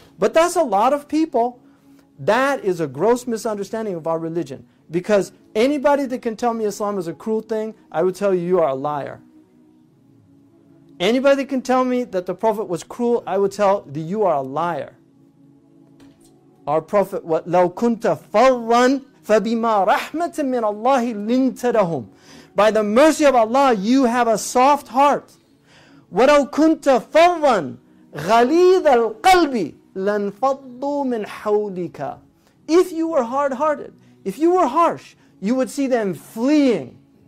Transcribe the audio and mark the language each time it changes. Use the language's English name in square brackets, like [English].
[English] But that's a lot of people. That is a gross misunderstanding of our religion. Because anybody that can tell me Islam is a cruel thing, I would tell you, you are a liar. Anybody can tell me that the Prophet was cruel, I would tell that you are a liar. Our Prophet, [Arabic] لَوْ كُنْتَ فَضًّا فَبِمَا رَحْمَةٍ مِّنَ اللَّهِ لِنْتَ لَهُمْ. [English] By the mercy of Allah, you have a soft heart. [Arabic] وَلَوْ كُنْتَ فَضًّا غَلِيظَ الْقَلْبِ لَنْفَضُّوا مِنْ حَوْلِكَ. [English] If you were hard-hearted, if you were harsh, you would see them fleeing.